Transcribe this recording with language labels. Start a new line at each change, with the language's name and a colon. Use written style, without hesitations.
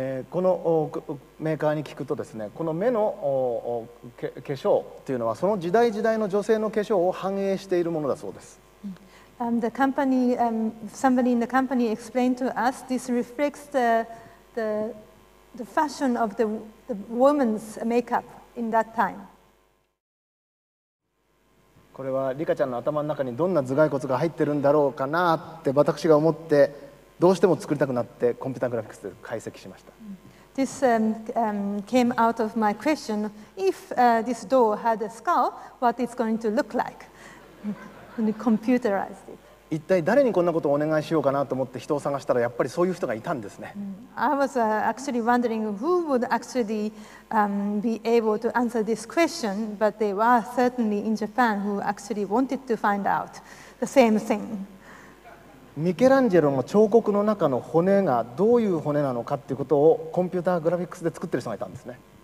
Japanese: このメーカーに聞くとですね、この目の化粧というのはその時代時代の女性の化粧を反映しているものだそうです。
English: The company, somebody in the company explained to us this reflects the fashion of the woman's makeup in that time.
Japanese: これはリカちゃんの頭の中にどんな頭蓋骨が入ってるんだろうかなって私が思って。どうしても作りたくなってコンピュータグラフィックスで解析しました。
English: This came out of my question. If this doll had a skull, what it's going to look like? And computerized it.
Japanese: 一体誰にこんなことをお願いしようかなと思って人を探したらやっぱりそういう人がいたんですね。
English: I was actually wondering who would actually be able to answer this question, but there were certainly in Japan who actually wanted to find out the same thing.
Japanese: ミケランジェロの彫刻の中の骨がどういう骨なのかということをコンピューターグラフィックスで作ってる人がいたんですね。